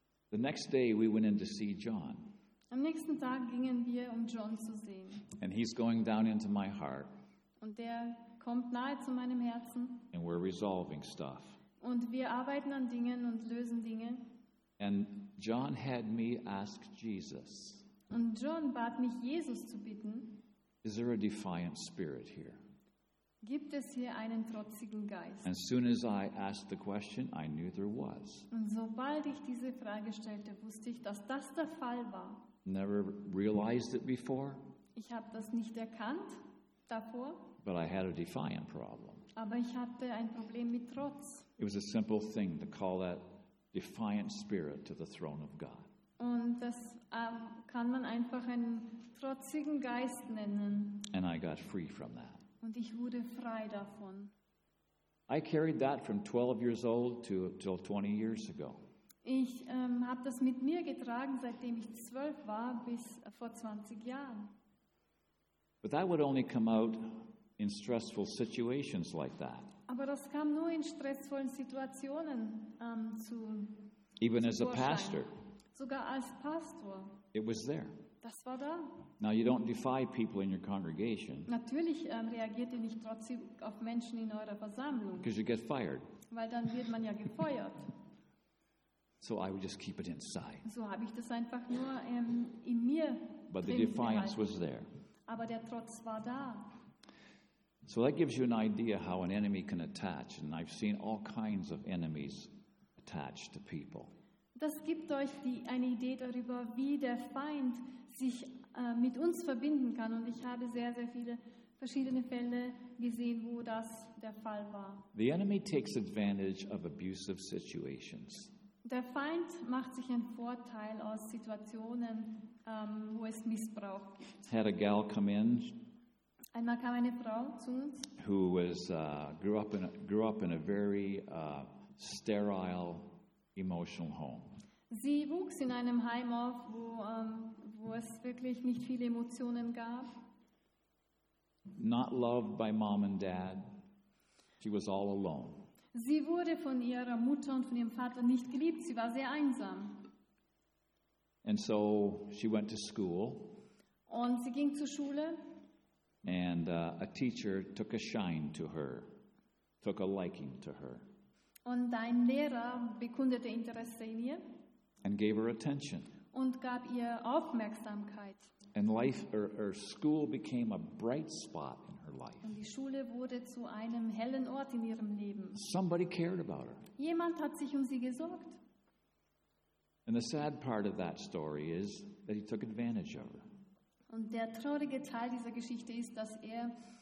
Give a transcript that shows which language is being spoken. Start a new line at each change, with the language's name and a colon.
English: The next day we went in to see John.
German: Am nächsten Tag gingen wir, um John zu sehen.
English: And he's going down into my heart.
German: Und der kommt nahe zu meinem Herzen.
English: And we're resolving stuff.
German: Und wir arbeiten an Dingen und lösen Dinge.
English: And John had me ask Jesus.
German: Und John bat mich, Jesus zu bitten.
English: Is there a defiant spirit here?
German: Gibt es hier einen trotzigen Geist?
English: And soon as I asked the question, I knew there was.
German: Und sobald ich diese Frage stellte, wusste ich, dass das der Fall war.
English: Never realized it before.
German: Ich habe das nicht erkannt davor.
English: But I had a defiant problem.
German: Aber ich hatte ein Problem mit Trotz.
English: It was a simple thing to call that defiant spirit to the throne of God.
German: Und das kann man einfach einen trotzigen Geist nennen.
English: And I got free from that.
German: Und ich wurde frei davon.
English: I carried that from 12 years old till 20 years ago.
German: Ich habe das mit mir getragen, seitdem ich 12 war, bis vor 20 Jahren.
English: But that would only come out in stressful situations like that.
German: Aber das kam nur in stressvollen Situationen zu.
English: Even as a pastor.
German: Sogar als Pastor.
English: It was there.
German: Das war da.
English: Now you don't defy people in your congregation.
German: Natürlich reagiert ihr nicht trotzig auf Menschen in eurer Versammlung.
English: Because you get fired.
German: Weil dann wird man ja gefeuert.
English: So I would just keep it inside.
German: So habe ich das einfach nur in mir.
English: But the defiance was there.
German: Aber der Trotz war da.
English: So that gives you an idea how an enemy can attach, and I've seen all kinds of enemies attached to people.
German: Das gibt euch eine Idee darüber, wie der Feind sich mit uns verbinden kann, und ich habe sehr, sehr viele verschiedene Fälle gesehen, wo das der Fall war.
English: The enemy takes advantage of abusive situations.
German: Der Feind macht sich einen Vorteil aus Situationen, wo es Missbrauch gibt.
English: Had a gal come in.
German: Einmal kam eine Frau zu uns.
English: Who was grew up in a very sterile emotional home.
German: Sie wuchs in einem Heim auf, wo es wirklich nicht viele Emotionen gab.
English: Not loved by mom and dad. She was all alone.
German: Sie wurde von ihrer Mutter und von ihrem Vater nicht geliebt. Sie war sehr einsam.
English: And so she went to school.
German: Und sie ging zur Schule.
English: And a teacher took a shine to her, took a liking to her.
German: Und ein Lehrer bekundete Interesse in ihr.
English: And gave her attention.
German: Und gab ihr Aufmerksamkeit.
English: And life, or school became a bright spot.
German: Und die Schule wurde zu einem hellen Ort in ihrem Leben.
English: Somebody cared about her.
German: Jemand hat sich um sie gesorgt.
English: And the sad part of that story is that he took advantage of her.
German: Und der traurige Teil dieser Geschichte ist, dass er